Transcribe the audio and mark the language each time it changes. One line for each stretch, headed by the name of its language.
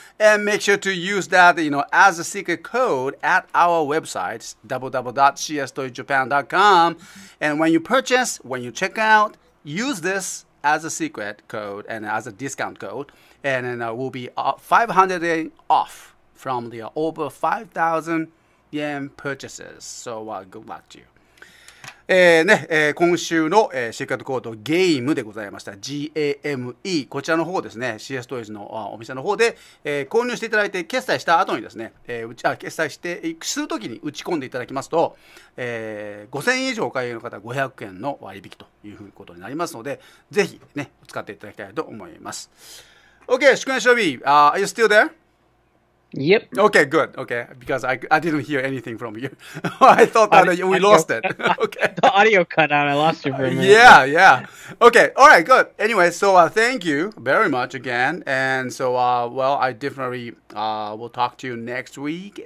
English: And make sure to use that, you know, as a secret code at our website, www.cstoyjapan.com. And when you purchase, when you check out, use this as a secret code and as a discount code. And then we'll be 500 yen off from the over 5,000 yen purchases. So good luck to you.
Japanese: 今週の、シークレットコードゲームでございました。 GAME。 こちらの方ですね。 CS Toys のお店の方で、購入していただいて、決済した後にですね、決済して、するときに打ち込んでいただきますと、5000円以上お買い上げの方は500円の割引ということになりますので、ぜひね、使っていただきたいと思います。
English: OK、祝宴勝利。Are you still there? Yep. Okay, good. Okay, because I didn't hear anything from you. I thought that we lost it. Okay. The audio cut out. I lost you for a minute. Yeah. Okay, all right, good. Anyway, so thank you very much again. And so, I definitely will talk to you next week.